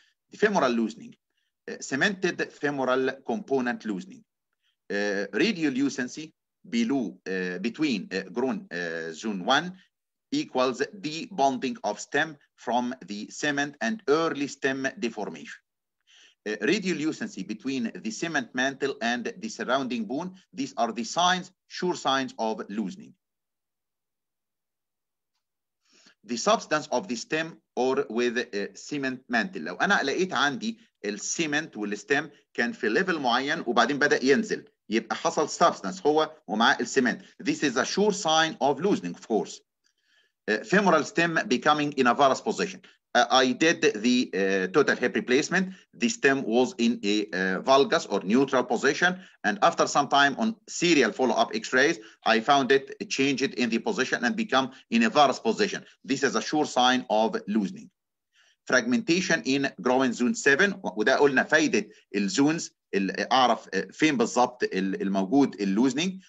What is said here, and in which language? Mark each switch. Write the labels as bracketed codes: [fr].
[en] The femoral loosening, cemented femoral component loosening, radiolucency below between groin zone 1 equals debonding of stem from the cement and early stem deformation. Radiolucency between the cement mantle and the surrounding bone, these are the signs, sure signs of loosening. The substance of the stem or with cement mantle. [ar] لو أنا لقيت عندي السيمنت والستم كان في ليفل معين وبعدين بدأ ينزل يبقى حصل substance هو ومع السيمنت. [en] This is a sure sign of loosening, of course. Femoral stem becoming in a varus position. I did the total hip replacement. The stem was in a valgus or neutral position. And after some time on serial follow-up x-rays, I found it changed in the position and become in a varus position. This is a sure sign of loosening. Fragmentation in growing zone 7. [ar] وده قلنا فايدة الزونز أعرف فين بالضبط الموجود loosening.